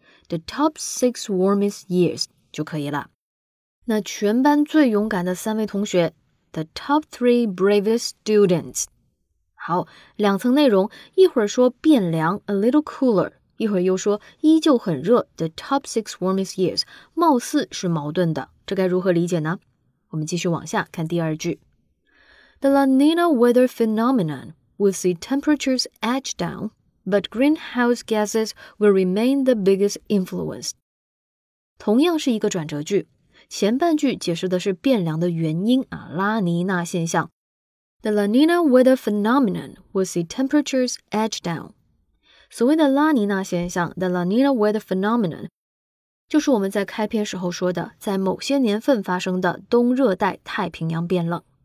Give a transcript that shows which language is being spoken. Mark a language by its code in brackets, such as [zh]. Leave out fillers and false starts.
[en] The top 6 warmest years [zh] 就可以了。那全班最勇敢的三位同学 , [en] The top 3 bravest students。 [zh] 好，两层内容，一会儿说变凉 , [en] a little cooler, [zh] 一会儿又说依旧很热 , [en] the top 6 warmest years, [zh] 貌似是矛盾的，这该如何理解呢？我们继续往下看第二句。 [en] The La Nina weather phenomenon will see temperatures edge down, but greenhouse gases will remain the biggest influence. [zh] 同样是一个转折句，前半句解释的是变凉的原因啊，拉尼娜现象。 [en] The La Nina weather phenomenon will see temperatures edge down. [zh] 所谓的拉尼娜现象 , [en] The La Nina weather phenomenon, [zh] 就是我们在开篇时候说的在某些年份发生的东热带太平洋变冷。